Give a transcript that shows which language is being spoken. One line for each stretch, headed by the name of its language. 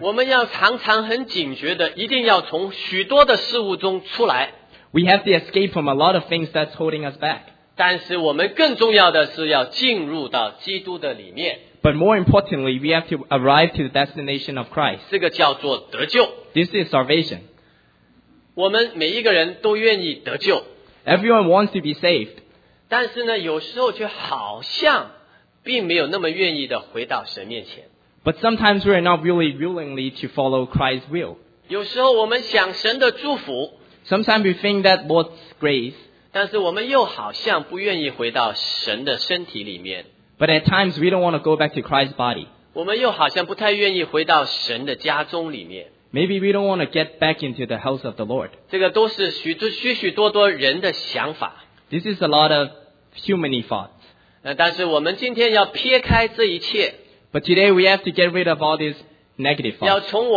Chinese: 我们要常常很警觉的，一定要从许多的事物中出来。
English: We have to escape from a lot of things that's holding us back.
Chinese: 但是我们更重要的是要进入到基督的里面。
English: But more importantly, we have to arrive to the destination of Christ.
Chinese: 这个叫做得救。
English: This is salvation. Everyone wants to be saved.
Chinese: 但是呢, 有时候却好像 并没有那么愿意地回到神面前。
English: But sometimes we are not really willingly to follow Christ's will.
Chinese: 有时候我们想神的祝福,
English: sometimes we think that Lord's grace.
Chinese: 但是我们又好像不愿意回到神的身体里面。
English: But at times we don't want to go back to Christ's body.
Chinese: 我们又好像不太愿意回到神的家中里面。
English: Maybe we don't want to get back into the house of the Lord.
Chinese: 这个都是许多人的想法。
English: This is a lot of human thoughts.
Chinese: 但是我们今天要撇开这一切。
English: But today we have to get rid of all these negative thoughts.